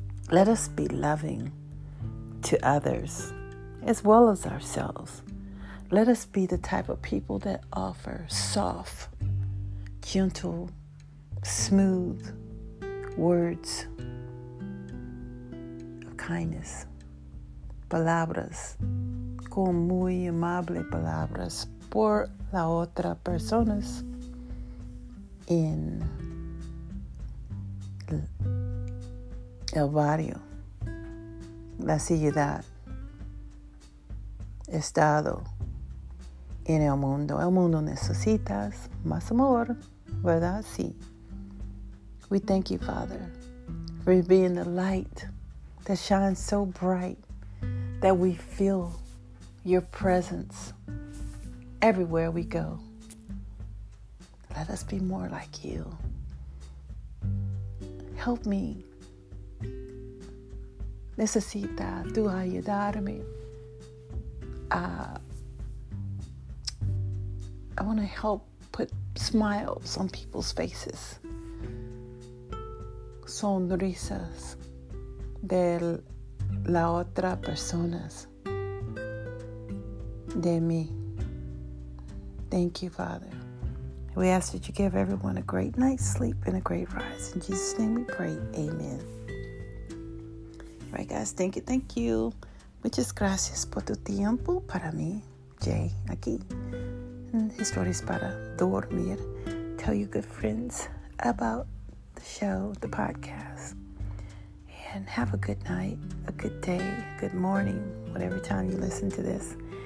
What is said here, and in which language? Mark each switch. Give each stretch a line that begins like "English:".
English: Let us be loving to others as well as ourselves. Let us be the type of people that offer soft, gentle, smooth words of kindness.
Spanish: Palabras. Con muy amable palabras por la otra personas en el barrio, la ciudad, estado, en el mundo. El mundo necesitas más amor, ¿verdad? Sí.
English: We thank you, Father, for being the light that shines so bright that we feel your presence everywhere we go. Let us be more like you. Help me.
Spanish: Necesita tu ayudarme.
English: I want to help put smiles on people's faces.
Spanish: Sonrisas de la otra personas. De mí.
English: Thank you, Father. We ask that you give everyone a great night's sleep and a great rise. In Jesus' name we pray. Amen. All right, guys. Thank you. Thank you.
Spanish: Muchas gracias por tu tiempo para mí, Jay, aquí. And historias para dormir.
English: Tell your good friends about the show, the podcast. And have a good night, a good day, good morning, whatever time you listen to this.